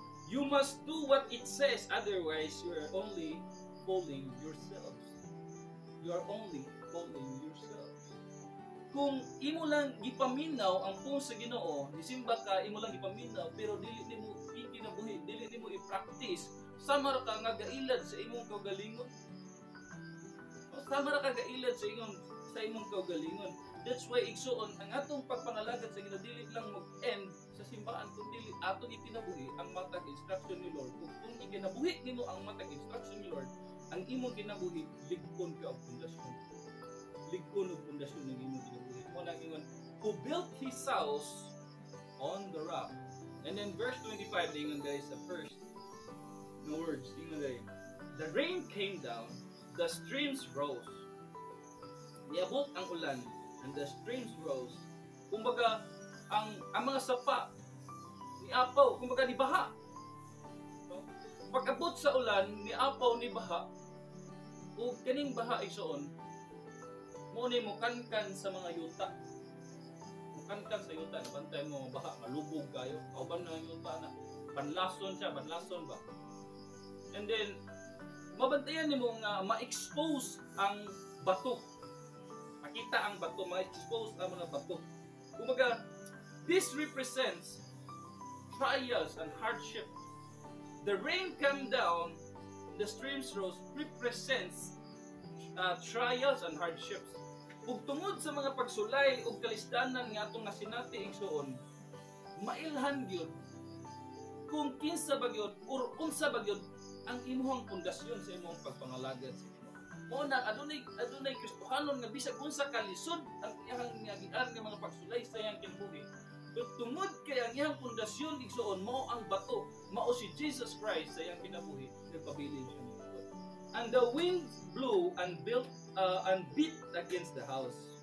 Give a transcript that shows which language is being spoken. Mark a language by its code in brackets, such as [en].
[en] You must do what it says, otherwise you are only fooling yourselves. You are only fooling yourselves. [ceb] Kung imo lang gipaminaw ang puso sa Ginoo, nisimba ka, imo lang gipaminaw, pero dili nimo ikinabuhi, dili nimo i-practice, sama ra ka nga gailad sa imong kaugalingon. Sama ra ka gailad sa imong kaugalingon. [en] That's why [ceb] igsoon ang atong pagpangalagad sa ginadili lang mag-end sa simbahan kung dili atong ipinabuhi ang matag instruction ni Lord. Kung ipinabuhi nimo ang matag instruction ni Lord, ang imong ginabuhi ligpon ka og pundasyon. Ligpon og pundasyon ng imong ginabuhi. O lang ingon, [en] who built his house on the rock. And then verse 25, ingon guys, the first no words, ingon guys, the rain came down, the streams rose. [ceb] Niabot ang ulan. [en] And the streams rose. [ceb] Kumbaga, ang mga sapa ni apaw, kumbaga ni baha. No? Pag-abot sa ulan, ni apaw ni baha. O kaning baha isoon, muna mo kankan sa mga yuta. Mukankan sa yuta, nabantay mo baha, malubog kayo. Kauban na yuta na, banlason siya, banlason ba? [en] And then, [ceb] mabantayan ni mo nga ma-expose ang bato. Makita ang bato, ma-expose ang mga bato. Kumbaga, [en] this represents trials and hardship. The rain came down, the streams rose, represents trials and hardships. [ceb] Kung tungod sa mga pagsulay o kalisdanan nga itong nasinati igsoon, mailhan yun kung kinsa ba yun o unsa ba yun ang imuhang pundasyon sa imuhang pagpangalagad sa muna, adunay Kristohanon nga bisag unsa kalisod ang iyang nagian ng mga pagsulay sa iyang kinabuhi. Pero tungod kay ang iyang pundasyon igsoon, mao ang bato, mao si Jesus Christ sa iyang kinabuhi, nagpabilin siya ni Lord. [en] And the wind blew and beat against the house.